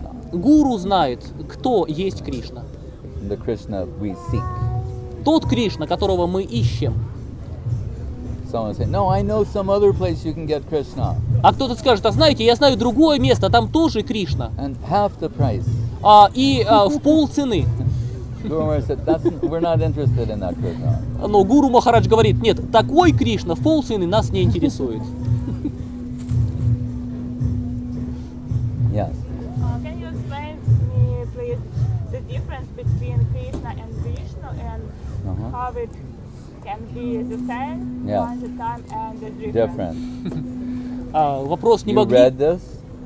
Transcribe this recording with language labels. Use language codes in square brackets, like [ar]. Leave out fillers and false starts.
[ru] Гуру знает, кто есть Кришна. [en] The Krishna we seek. [ru] Тот Кришна, которого мы ищем. А кто-то скажет, а знаете, я знаю другое место, там тоже Кришна. [en] And half the price. [ru] В пол цены. [en] Guru Maharaj said, we're not interested in that Krishna. [ru] Но Гуру Махарадж говорит, нет, такой Кришна, полцены, нас не интересует. [en] Yes. Can you explain to me, please, the difference between Krishna and Vishnu and how it can be the same at the time and the different? [ru] Вопрос не могли. [en] You read this?